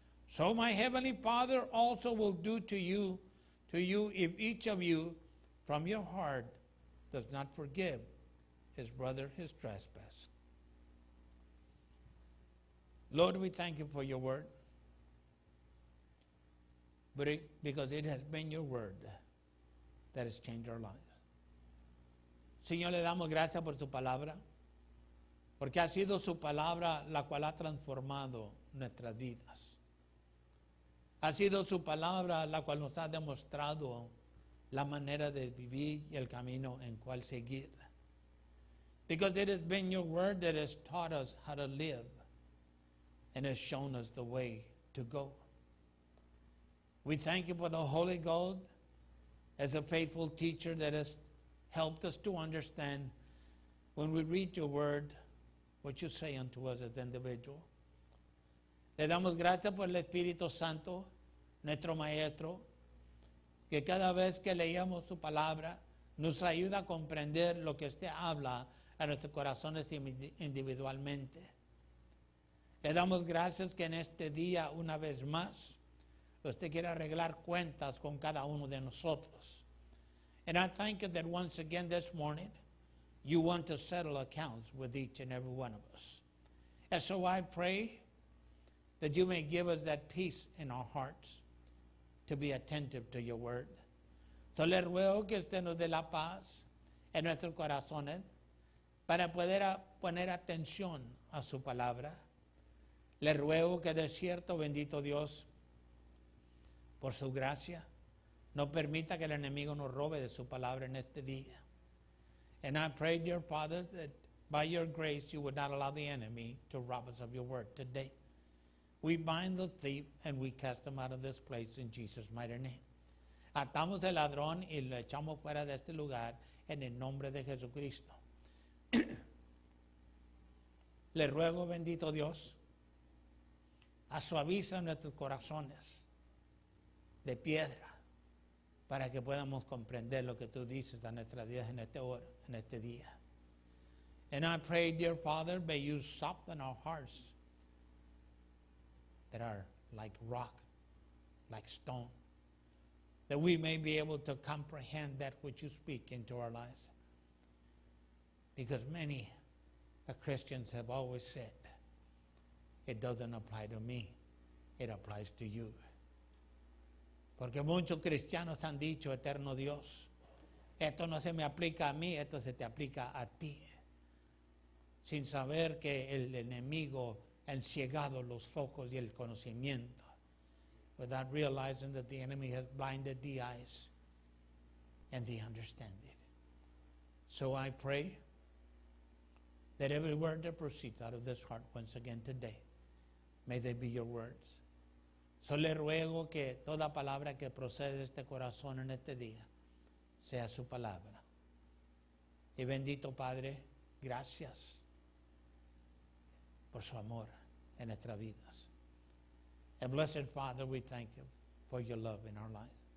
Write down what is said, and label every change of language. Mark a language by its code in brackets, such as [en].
[en] So my heavenly Father also will do to you if each of you from your heart does not forgive his brother his trespass. Lord, we thank you for your word. But because it has been your word that has changed our lives. [es] Señor, le damos gracias por su palabra. Porque ha sido su palabra la cual ha transformado nuestras vidas. Ha sido su palabra la cual nos ha demostrado la manera de vivir y el camino en cual seguir. [en] Because it has been your word that has taught us how to live and has shown us the way to go. We thank you for the Holy Ghost as a faithful teacher that has helped us to understand when we read your word, what you say unto us as individual. [es] Le damos gracias por el Espíritu Santo, nuestro Maestro, que cada vez que leíamos su palabra, nos ayuda a comprender lo que usted habla a nuestros corazones individualmente. Le damos gracias que en este día, una vez más, usted quiere arreglar cuentas con cada uno de nosotros. [en] And I thank you that once again this morning, you want to settle accounts with each and every one of us. And so I pray that you may give us that peace in our hearts to be attentive to your word. [es] So le ruego que usted nos dé la paz en nuestros corazones para poder poner atención a su palabra. Le ruego que de cierto, bendito Dios, por su gracia, no permita que el enemigo nos robe de su palabra en este día. [en] And I pray, dear Father, that by your grace you would not allow the enemy to rob us of your word today. We bind the thief and we cast him out of this place in Jesus' mighty name. [es] Atamos el ladrón y lo echamos fuera de este lugar en el nombre de Jesucristo. Le ruego, bendito Dios, a suaviza nuestros corazones de piedra para que podamos comprender lo que tú dices a nuestras vidas en este hora, en este día. [en] And I pray, dear Father, may you soften our hearts that are like rock, like stone, that we may be able to comprehend that which you speak into our lives. Because many Christians have always said, it doesn't apply to me, it applies to you. [es] Porque muchos cristianos han dicho, eterno Dios, esto no se me aplica a mí, esto se te aplica a ti. Sin saber que el enemigo ha ciegado los ojos y el conocimiento. [en] Without realizing that the enemy has blinded the eyes and the understanding. So I pray that every word that proceeds out of this heart once again today, may they be your words. [es] So le ruego que toda palabra que procede de este corazón en este día sea su palabra. Y bendito Padre, gracias por su amor en nuestras vidas. [en] And blessed Father, we thank you for your love in our lives.